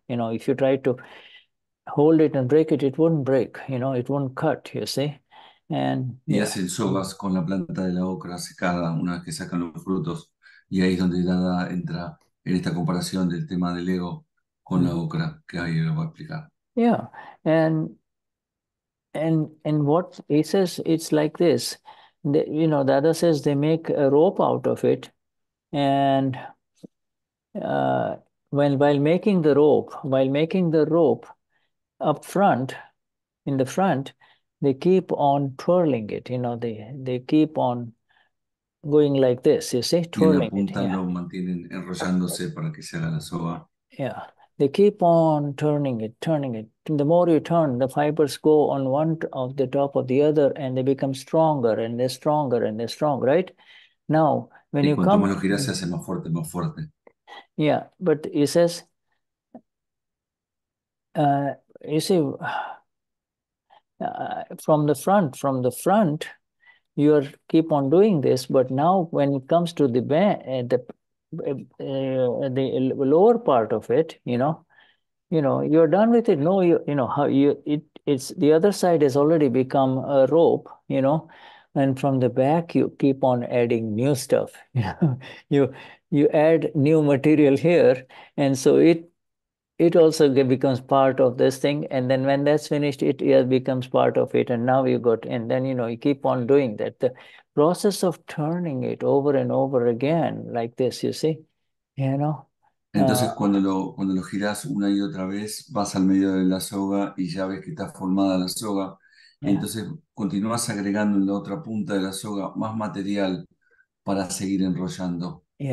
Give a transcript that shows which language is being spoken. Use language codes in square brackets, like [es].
[en] If you try to hold it and break it, it wouldn't break, it wouldn't cut, you see. And [es] y hacen sogas con la planta de la ocra secada una vez que sacan los frutos. Y ahí es donde Dada entra en esta comparación del tema del ego con la ocra, que ahí lo voy a explicar. [en] Yeah, and what he says, it's like this. Dada says they make a rope out of it, and while making the rope up front, in the front, they keep on twirling it, they keep on going like this, you see, twirling [es] y en la punta [en] it. [es] Lo mantienen enrollándose para que se haga la soga. [en] Yeah, they keep on turning it. The more you turn, the fibers go on one of the top of the other, and they become stronger, and they're stronger, and they're strong, right? Now, when [es] y [en] you come... [es] Y cuanto más lo giras, se hace más fuerte, más fuerte. [en] Yeah, but he says, you see, from the front, you are keep on doing this, but now when it comes to the lower part of it, you're done with it. No, it's the other side has already become a rope, and from the back you keep on adding new stuff. you add new material here, and so it also becomes part of this thing, and then when that's finished, it becomes part of it, and now you got, and then you keep on doing that. The process of turning it over and over again like this, you see, [es] Entonces, cuando lo giras una y otra vez, vas al medio de la soga y ya ves que está formada la soga. Entonces, continúas agregando en la otra punta de la soga más material para seguir enrollando.